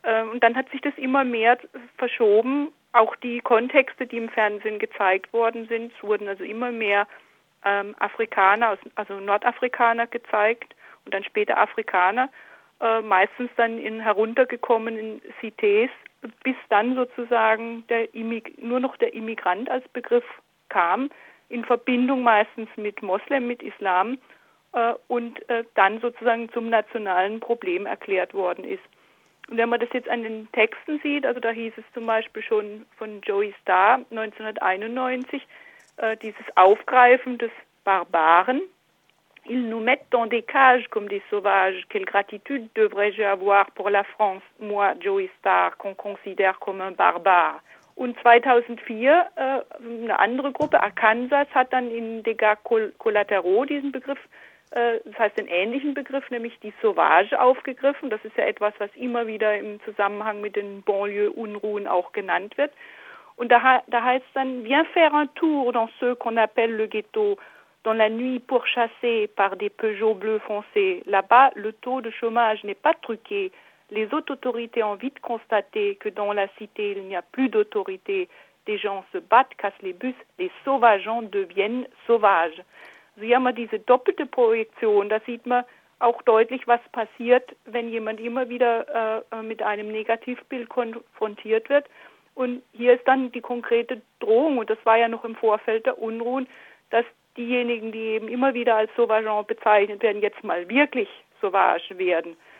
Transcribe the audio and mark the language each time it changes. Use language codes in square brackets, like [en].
[de] Und dann hat sich das immer mehr verschoben, auch die Kontexte, die im Fernsehen gezeigt worden sind, es wurden also immer mehr Afrikaner, also Nordafrikaner gezeigt und dann später Afrikaner, meistens dann in heruntergekommenen Cités, bis dann sozusagen nur noch der Immigrant als Begriff kam, in Verbindung meistens mit Moslem, mit Islam und dann sozusagen zum nationalen Problem erklärt worden ist. Und wenn man das jetzt an den Texten sieht, also da hieß es zum Beispiel schon von Joey Starr 1991, dieses Aufgreifen des Barbaren, [fr] Ils nous mettent dans des cages comme des sauvages. Quelle gratitude devrais-je avoir pour la France, moi, Joey Starr, qu'on considère comme un barbare? [de] Und 2004, eine andere Gruppe, Arkansas, hat dann in Degas Collateraux diesen Begriff, das heißt den ähnlichen Begriff, nämlich die Sauvage aufgegriffen. Das ist ja etwas, was immer wieder im Zusammenhang mit den Banlieue-Unruhen auch genannt wird. Und da heißt es dann, [fr] viens faire un tour dans ce qu'on appelle le ghetto, dans la nuit pourchassée par des Peugeot bleu foncé. Là-bas, le taux de chômage n'est pas truqué. Les autres autorités ont vite constaté que dans la cité, il n'y a plus d'autorité. Des gens se battent, cassent les bus, les sauvageons deviennent sauvages. [de] Also hier haben wir diese doppelte Projektion. Da sieht man auch deutlich, was passiert, wenn jemand immer wieder mit einem Negativbild konfrontiert wird. Und hier ist dann die konkrete Drohung, und das war ja noch im Vorfeld der Unruhen, dass diejenigen, die eben immer wieder als Sauvageon bezeichnet werden, jetzt mal wirklich Sauvage werden.